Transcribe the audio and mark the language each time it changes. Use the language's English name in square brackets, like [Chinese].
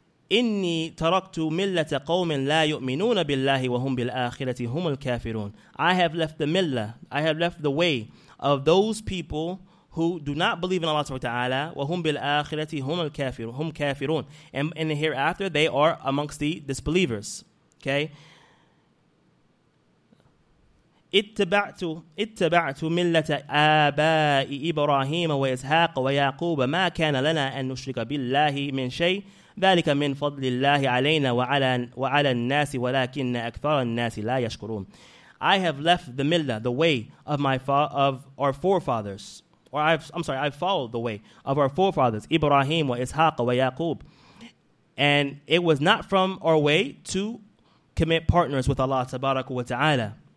[Arabic] إِنِّي تَرَكْتُ مِلَّةَ قَوْمٍ لَا يُؤْمِنُونَ بِاللَّهِ وَهُمْ بِالْآخِرَةِ هُمُ الْكَافِرُونَ. [English] I have left the millah. I have left the way of those people who do not believe in Allah subhanahu wa ta'ala. [Arabic] وَهُمْ بِالْآخِرَةِ هُمُ الْكَافِرُونَ. هُمْ كَافِرُونَ. [English] And hereafter, they are amongst the disbelievers. Okay? [Arabic] اتبعت ملة آباء إبراهيم وإسحاق ويعقوب ما كان لنا أن نشرك بالله من شيء ذلك من فضل الله علينا وعلى الناس ولكن أكثر الناس لا يشكرون. [English] I have left the millah, the way of our forefathers, I've followed the way of our forefathers Ibrahim وإسحاق ويعقوب, and it was not from our way to commit partners with Allah [Arabic] تبارك وتعالى.